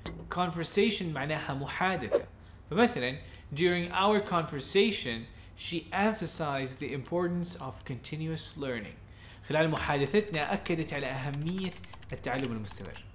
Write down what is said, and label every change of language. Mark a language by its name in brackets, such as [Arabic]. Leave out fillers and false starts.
[Arabic] Conversation معناها محادثة. فمثلا [English] During our conversation she emphasized the importance of continuous learning. [Arabic] خلال محادثتنا أكدت على أهمية التعلم المستمر.